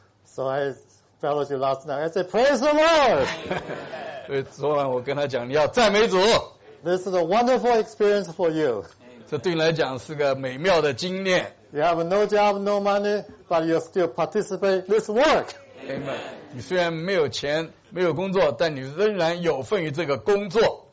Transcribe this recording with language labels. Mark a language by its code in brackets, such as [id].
[en] So I fellowship last night. I said, "Praise the Lord!" [zh] 所以昨晚我跟他讲，你要赞美主。 [en] This is a wonderful experience for you. [zh] 这对你来讲是个美妙的经验。 [en] You have no job, no money, but you still participate in this work. Amen. [zh] 你虽然没有钱，没有工作，但你仍然有份于这个工作。